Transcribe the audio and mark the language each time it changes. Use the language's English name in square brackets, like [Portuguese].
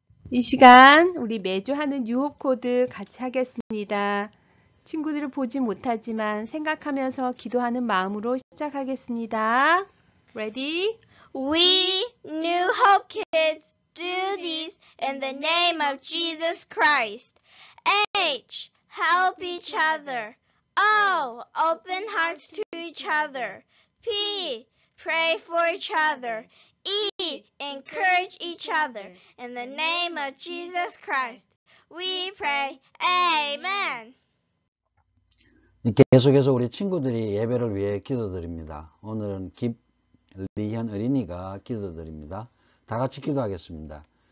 [Korean] 이 시간 우리 매주 하는 유혹 코드 같이 하겠습니다. 친구들을 보지 못하지만 생각하면서 기도하는 마음으로 시작하겠습니다. [English] Ready? We, New Hope Kids, do this in the name of Jesus Christ. H, help each other. O, open hearts to each other. P, pray for each other. E, encourage each other. In the name of Jesus Christ, we pray. Amen. [Korean] 계속해서 우리 친구들이 예배를 위해 기도드립니다. 오늘은 김리현 어린이가 기도드립니다. 다 같이 기도하겠습니다.